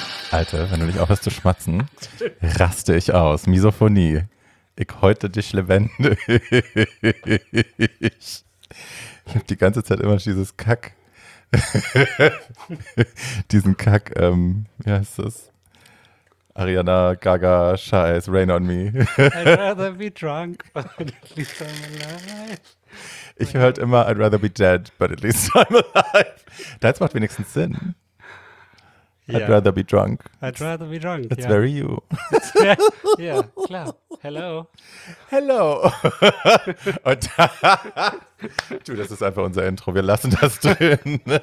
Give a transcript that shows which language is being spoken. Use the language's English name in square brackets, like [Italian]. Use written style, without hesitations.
[German] Alter, wenn du nicht aufhörst zu schmatzen, raste ich aus. Misophonie. Ich häute dich lebendig. Ich hab die ganze Zeit immer dieses Kack. Diesen Kack, wie heißt das? Ariana Gaga, Scheiß, Rain on Me. [English] I'd rather be drunk, but at least I'm alive. [German] Ich höre halt immer, [English] I'd rather be dead, but at least I'm alive. [German] Das macht wenigstens Sinn. [English] Yeah. I'd rather be drunk. I'd rather be drunk, it's very you. [German] Ja, klar. [English] Hello. Hello. [German] Und du, das ist einfach unser Intro. Wir lassen das drin.